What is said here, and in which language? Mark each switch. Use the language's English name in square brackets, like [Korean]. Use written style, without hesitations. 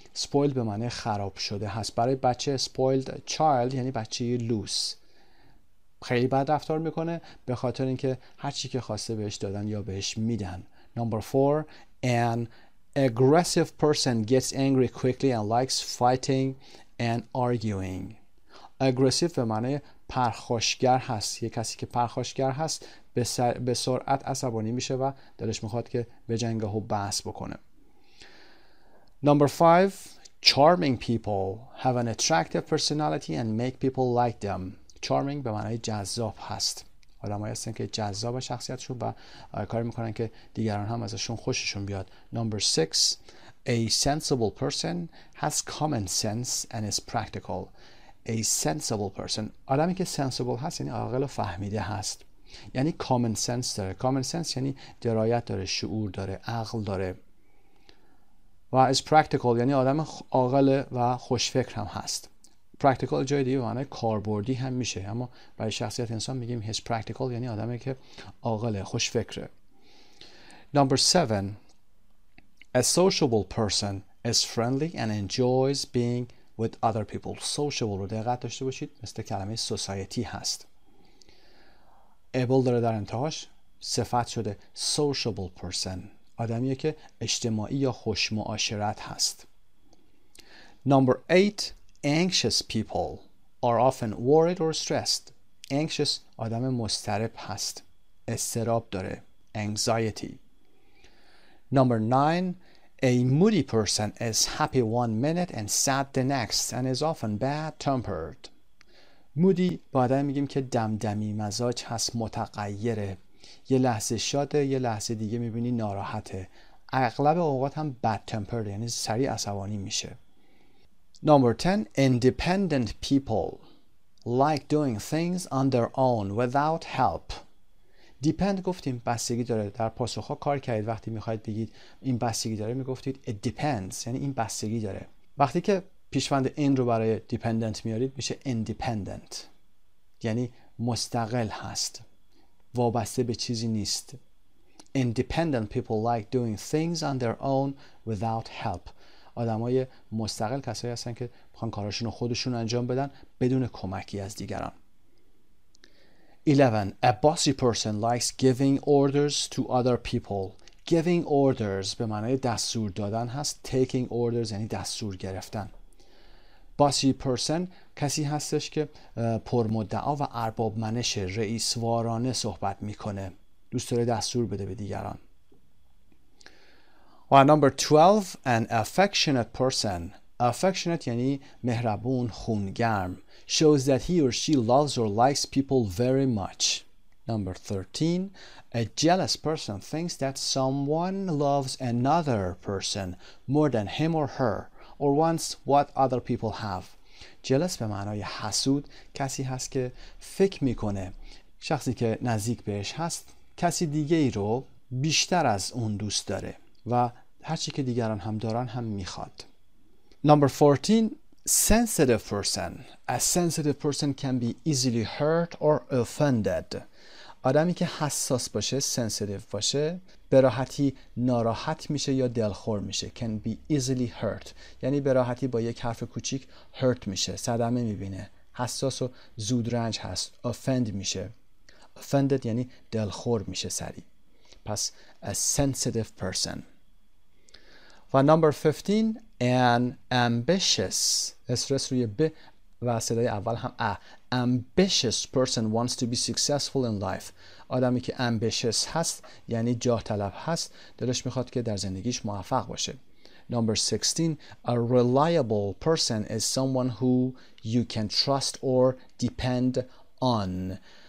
[Persian] Spoiled به معنی خراب شده هست. برای بچه spoiled child یعنی بچه لوس، خیلی بد رفتار میکنه به خاطر اینکه هر چی که خواسته بهش دادن یا بهش میدن. [English] Number four, and aggressive person gets angry quickly and likes fighting and arguing. [Persian] Aggressive به معنی پرخاشگر هست. یه کسی که پرخاشگر هست به سرعت عصبانی میشه و دلش میخواد که به جنگه و بحث بکنه. [English] Number five, charming people have an attractive personality and make people like them. [Persian] Charming به معنی جذاب هست. آدم هایی هستن که جذاب شخصیتشون و کاری میکنن که دیگران هم ازشون خوششون بیاد. [English] Number six, a sensible person has common sense and is practical. A sensible person. [Persian] آدمی که sensible هست یعنی عاقل و فهمیده هست. یعنی common sense داره. Common sense یعنی درایت داره، شعور داره، عقل داره. و [English] is practical [Persian] یعنی آدم عاقل و خوشفکر هم هست. پرکتیکال جای دیگه معنی کاربردی هم میشه، اما برای شخصیت انسان میگیم [English] he's practical, [Persian] یعنی آدمی که عاقله، خوش فکره. [English] Number 7، A sociable person is friendly and enjoys being with other people. [Persian] Sociable رو دقت داشته باشید، مثل کلمه society هست. Able داره در انتهاش، صفت شده sociable person، آدمیه که اجتماعی یا خوش معاشرت هست. [English] Number 8، Anxious people are often worried or stressed. [Persian] Anxious آدم مضطرب هست، اضطراب داره، anxiety. [English] Number 9، A moody person is happy one minute and sad the next and is often bad tempered. [Persian] مودی با آدم میگیم که دمدمی مزاج هست، متغیره، یه لحظه شاده یه لحظه دیگه میبینی ناراحته، اغلب اوقات هم bad tempered، یعنی سریع عصبانی میشه. [English] Number 10, independent people like doing things on their own without help. [Persian] Depend گفتیم بستگی داره، در پاسخ‌ها کار کردید وقتی می‌خواید بگید این بستگی داره میگفتید [English] it depends، [Persian] یعنی این بستگی داره. وقتی که پیشوند این رو برای dependent میارید میشه independent، یعنی مستقل هست، وابسته به چیزی نیست. [English] Independent people like doing things on their own without help. [Persian] آدم های مستقل کسایی هستن که بخوان کاراشون رو خودشون انجام بدن بدون کمکی از دیگران. [English] 11. A bossy person likes giving orders to other people. [Persian] Giving orders به معنی دستور دادن هست. Taking orders یعنی دستور گرفتن. Bossy person کسی هستش که پرمدعا و ارباب منش، رئیس وارانه صحبت میکنه. دوست داره دستور بده به دیگران. و نمبر 12، [English] an affectionate person. [Persian] Affectionate یعنی مهربون، خونگرم. [English] Shows that he or she loves or likes people very much. Number 13, a jealous person thinks that someone loves another person more than him or her or wants what other people have. [Persian] Jealous به معنای حسود، کسی هست که فکر میکنه شخصی که نزدیک بهش هست کسی دیگه رو بیشتر از اون دوست داره و هر چی که دیگران هم دارن هم میخواد. [English] Number 14, sensitive person. A sensitive person can be easily hurt or offended. [Persian] آدمی که حساس باشه، sensitive باشه، به راحتی ناراحت میشه یا دلخور میشه. [English] Can be easily hurt. [Persian] یعنی به راحتی با یک حرف کوچیک hurt میشه، صدمه میبینه. حساس و زود رنج هست، offend میشه. Offended یعنی دلخور میشه سریع. [English] پس a sensitive person. و number 15، an ambitious، [Persian] استرس روی ب و صدای اول هم ا، [English] ambitious person wants to be successful in life. [Persian] آدمی که ambitious هست یعنی جاه طلب هست، دلش میخواد که در زندگیش موفق باشه. [English] Number 16، a reliable person is someone who you can trust or depend on.